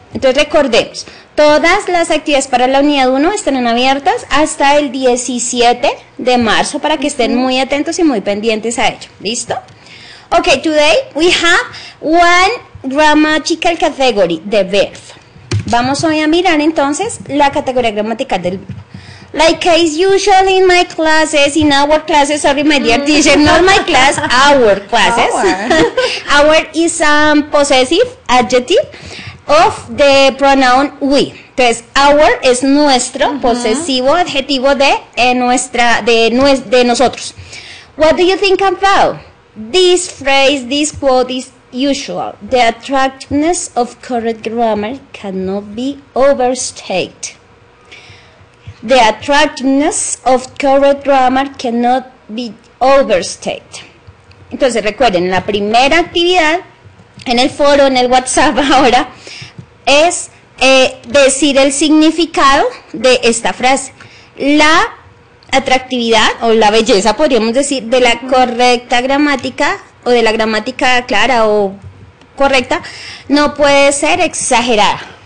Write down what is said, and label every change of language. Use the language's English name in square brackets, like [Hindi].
[Spanish] Entonces recordemos, todas las actividades para la unidad 1 estarán abiertas hasta el 17 de marzo para que estén muy atentos y muy pendientes a ello. ¿Listo? [English] Ok, today we have one grammatical category, the verb. [Spanish] Vamos hoy a mirar entonces la categoría gramatical del verbo. [English] Like as usual in my classes, in our classes, sorry my dear teacher, not my class, our classes. Our is a possessive adjective of the pronoun we. [Spanish] Entonces, our es nuestro, uh-huh, posesivo adjetivo de nosotros. [English] What do you think about this phrase, this quote is usual? The attractiveness of correct grammar cannot be overstated. The attractiveness of correct grammar cannot be overstated. [Spanish] Entonces, recuerden, la primera actividad en el foro, en el WhatsApp ahora, es decir el significado de esta frase. La atractividad o la belleza, podríamos decir, de la correcta gramática o de la gramática clara o correcta no puede ser exagerada.